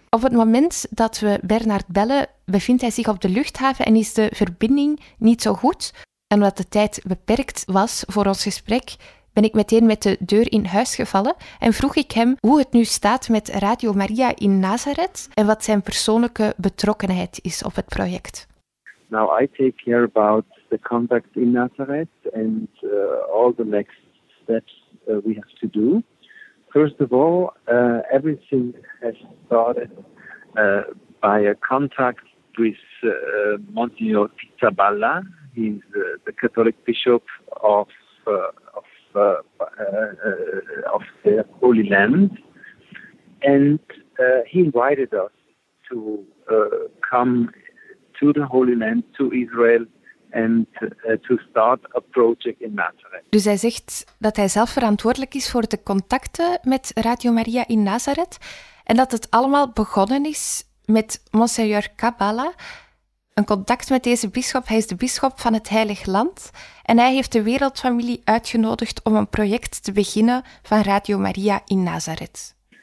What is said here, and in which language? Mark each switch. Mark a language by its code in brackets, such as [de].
[nl] Op het moment dat we Bernard bellen, bevindt hij zich op de luchthaven en is de verbinding niet zo goed. En omdat de tijd beperkt was voor ons gesprek, ben ik meteen met de deur in huis gevallen en vroeg ik hem hoe het nu staat met Radio Maria in Nazareth en wat zijn persoonlijke betrokkenheid is op het project. [en] Now I take care about the contact in Nazareth and all the next steps we have to do. First of all, everything has started by a contact with Monsignor Pizzaballa. He's the Catholic Bishop of the Holy Land, and he invited us to come to the Holy Land, to Israel, and to start a project in Nazareth. [nl] Dus hij zegt dat hij zelf verantwoordelijk is voor de contacten met Radio Maria in Nazareth en dat het allemaal begonnen is met Monseigneur Cabala. Een contact met deze bisschop, hij is de bisschop van het Heilig Land en hij heeft de wereldfamilie uitgenodigd om een project te beginnen van Radio Maria in Nazareth.